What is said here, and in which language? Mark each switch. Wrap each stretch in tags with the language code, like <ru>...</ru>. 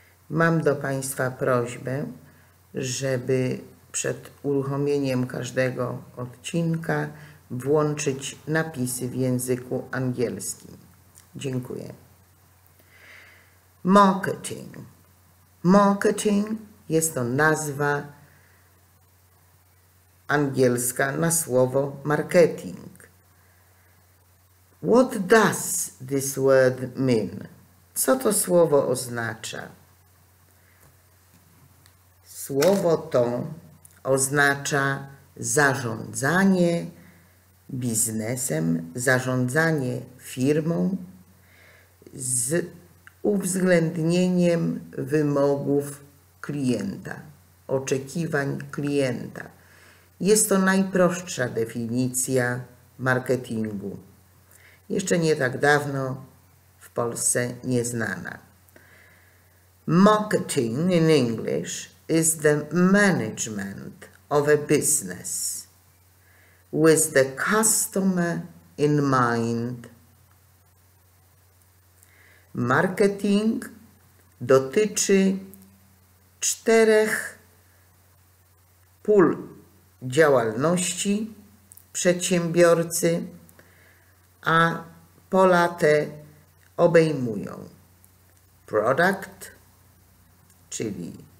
<pl>Mam do Państwa prośbę, żeby przed uruchomieniem każdego odcinka włączyć napisy w języku angielskim. Dziękuję. Marketing. Marketing jest to nazwa angielska na słowo marketing.</pl> <en>What does this word mean?</en> <pl>Co to słowo oznacza? Słowo to oznacza zarządzanie biznesem, zarządzanie firmą z uwzględnieniem wymogów klienta, oczekiwań klienta. Jest to najprostsza definicja marketingu. Jeszcze nie tak dawno w Polsce nieznana.</pl> <en>Marketing in English is the management of a business with the customer in mind.</en> <pl>Marketing dotyczy czterech pól działalności przedsiębiorcy, a pola te obejmują product, czyli</pl>